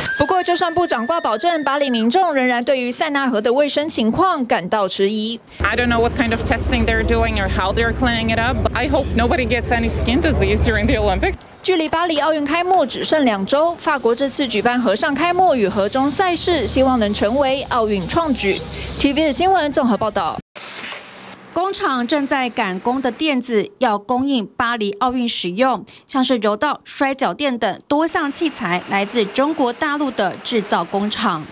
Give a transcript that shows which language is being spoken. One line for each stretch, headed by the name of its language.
Chinese: 不过，就算部长挂保证，巴黎民众仍然对于塞纳河的卫生情况感到迟疑。
English: I don't know what kind of testing they're doing or how they're cleaning it up. I hope nobody gets any skin disease during the Olympics.
Chinese: 距离巴黎奥运开幕只剩2周，法国这次举办河上开幕与河中赛事，希望能成为奥运创举。 TVBS 新闻综合报道。工厂正在赶工的垫子要供应巴黎奥运使用，像是柔道、摔角垫等多项器材来自中国大陆的制造工厂。